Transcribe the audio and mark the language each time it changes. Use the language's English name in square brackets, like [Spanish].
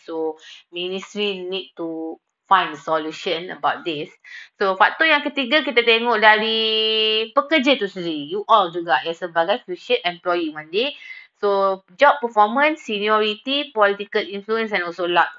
[English] So ministry need to find a solution about this. [Malay] So faktor yang ketiga, kita tengok dari pekerja tu sendiri, you all juga ya, sebagai [English] future employee one day. So job performance, seniority, political influence and also luck.